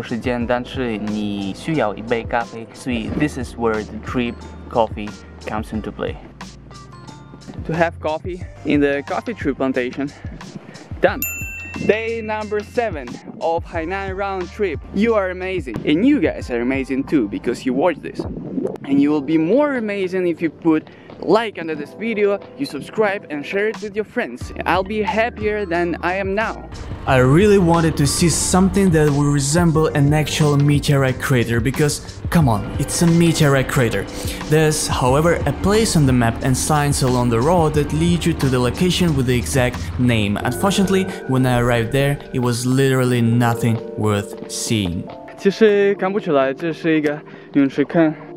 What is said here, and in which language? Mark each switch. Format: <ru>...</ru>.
<zh>有的时候你们有很多时间，但是你需要一杯咖啡.</zh> <en>So this is where the drip coffee comes into play. To have coffee in the coffee tree plantation. Done. Day number 7 of Hainan round trip. You are amazing, and you guys are amazing too, because you watch this. And you will be more amazing if you put like under this video, you subscribe and share it with your friends. I'll be happier than I am now. I really wanted to see something that would resemble an actual meteorite crater, because come on, it's a meteorite crater. There's, however, a place on the map and signs along the road that lead you to the location with the exact name. Unfortunately, when I arrived there, it was literally nothing worth seeing.</en> <zh>其实看不出来，这是一个陨石坑。</zh>